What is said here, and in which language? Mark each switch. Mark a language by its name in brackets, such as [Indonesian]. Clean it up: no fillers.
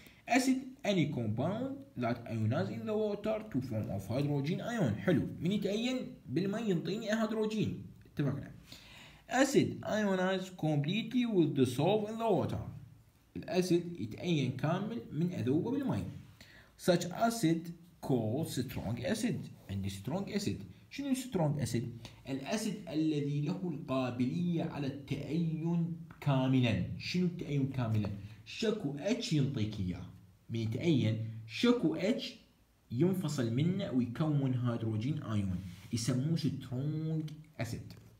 [English] Acid any compound that ionize in the water to form of hydrogen ion. [Arabic] حلو، من يتاين بالماء ينطيني هيدروجين، اتفقنا. [English] Acid ionize completely with dissolve in the water. [Arabic] الاسيد يتاين كامل من اذوبه بالماء. [English] such acid called strong acid. [Arabic] عندي [English] strong acid. [Arabic] شنو strong acid؟ الأسيد الذي له القابلية على التأين كاملا. شنو التأين كاملا؟ شكو H ينطيك إياه. من يتأين شكو H ينفصل منه ويكون هيدروجين آيون، يسموه strong acid.